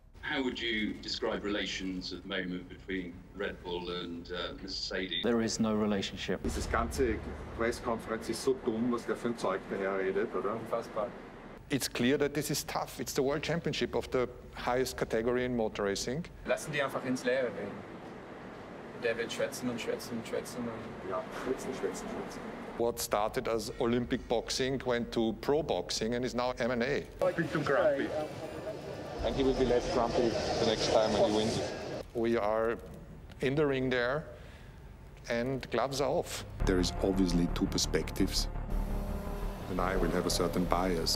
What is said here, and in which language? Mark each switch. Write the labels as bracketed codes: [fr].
[en] How would you describe relations at the moment between Red Bull and Mercedes? There is no relationship. [de] This ganze [en] press conference is so dumb, [de] was der für ein Zeug daher redet, oder? Unfassbar. [en] It's clear that this is tough. It's the world championship of the highest category in motor racing. [de] Lassen die einfach ins Leere reden. Der wird schwätzen und schwätzen und schwätzen und ja, schwätzen, schwätzen, schwätzen. [en] What started as Olympic boxing went to pro boxing and is now MMA. A bit too grumpy. And he will be less grumpy the next time when he wins. We are in the ring there and gloves are off. There is obviously two perspectives. And I will have a certain bias.